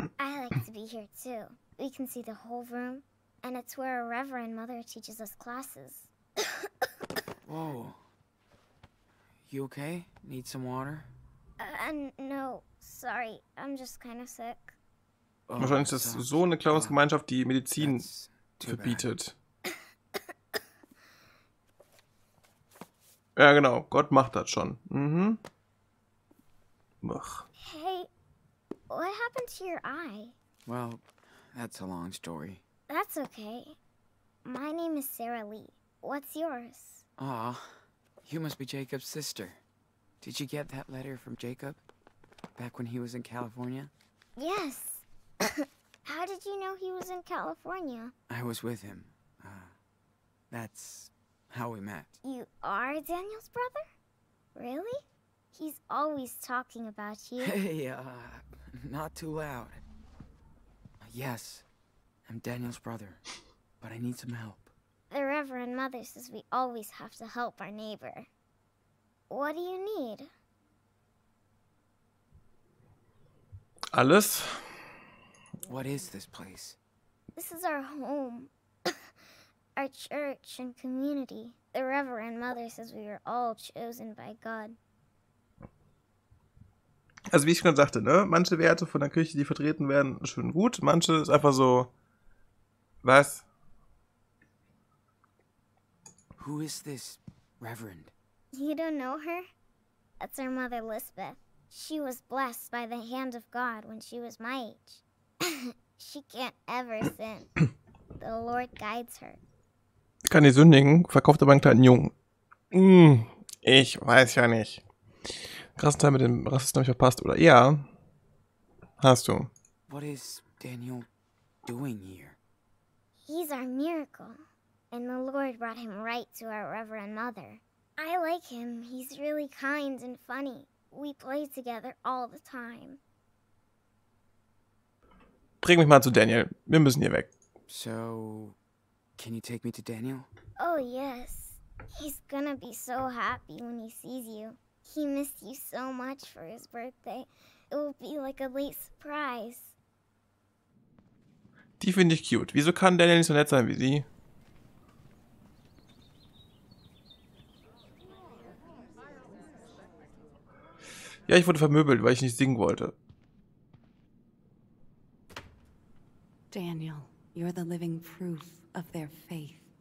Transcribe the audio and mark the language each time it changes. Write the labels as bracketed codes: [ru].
[en] I like to be here too. We can see the whole room, and it's where our Reverend Mother teaches us classes. Whoa. You okay? Need some water? No, sorry, I'm just kind of sick. [de] Oh, wahrscheinlich ist das so eine Glaubensgemeinschaft, die Medizin verbietet. Ja, genau, Gott macht das schon. Mhm. Ach. [en] Hey, what happened to your eye? Well, that's a long story. That's okay. My name is Sarah Lee. What's yours? Aw, you must be Jacob's sister. Did you get that letter from Jacob, back when he was in California? Yes. How did you know he was in California? I was with him. That's how we met. You are Daniel's brother? Really? He's always talking about you. Hey, not too loud. Yes, I'm Daniel's brother, but I need some help. The Reverend Mother says we always have to help our neighbor. What do you need? [de] Alles? [en] What is this place? This is our home. Our church and community. The Reverend Mother says we are all chosen by God. [de] Also wie ich schon sagte, ne? Manche Werte von der Kirche, die vertreten werden, schön gut. Manche ist einfach so... Was? [en] Who is this Reverend? You don't know her? That's our mother, Lisbeth. She was blessed by the hand of God when she was my age. She can't ever sin. the Lord guides her. [de] Kann die sündigen, verkauft aber einen kleinen Jungen. Hm, ich weiß ja nicht. Krassen Teil mit dem Rassisten habe ich verpasst, oder? Ja, hast du. [en] What is Daniel doing here? He's our miracle. And the Lord brought him right to our Reverend Mother. I like him. He's really kind and funny. We play together all the time. [de] Bring mich mal zu Daniel. Wir müssen hier weg. [en] So, can you take me to Daniel? Oh, yes. He's gonna be so happy when he sees you. He missed you so much for his birthday. It will be like a late surprise. [de] Die finde ich cute. Wieso kann Daniel nicht so nett sein wie sie? Ja, ich wurde vermöbelt, weil ich nicht singen wollte. [en] Daniel, you're the living proof of their faith.